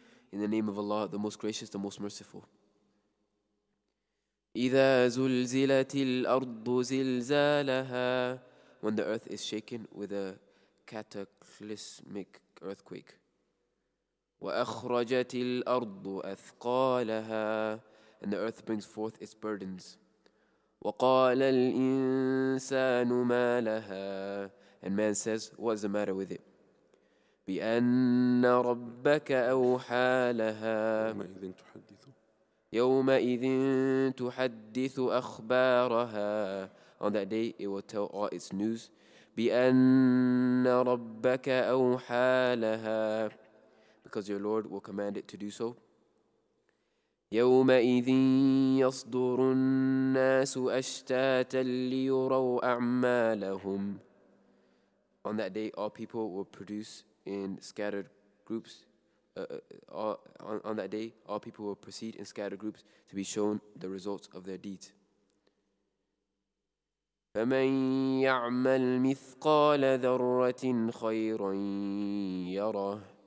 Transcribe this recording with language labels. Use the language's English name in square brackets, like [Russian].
[English] In the name of Allah, the Most Gracious, the Most Merciful. [Arabic] إذا زلزلت الأرض زلزالها. [English] When the earth is shaken with a cataclysmic earthquake. [Arabic] وأخرجت الأرض أثقالها. [English] And the earth brings forth its burdens. [Arabic] وقال الإنسان ما لها. [English] And man says, what is the matter with it? [Arabic] بأن ربك أوحى لها. يومئذ تحدث. يومئذ تحدث أخبارها. [English] On that day, it will tell all its news. [Arabic] بأن ربك أوحى لها. [English] Because your Lord will command it to do so. [Arabic] يومئذ يصدر الناس أشتاتا ليروا أعمالهم. [English] On that day, all people will produce in scattered groups. On that day, all people will proceed in scattered groups to be shown the results of their deeds. [Arabic] فَمَنْ يَعْمَلْ مِثْقَالَ ذَرَّةٍ خَيْرًا يَرَهُ.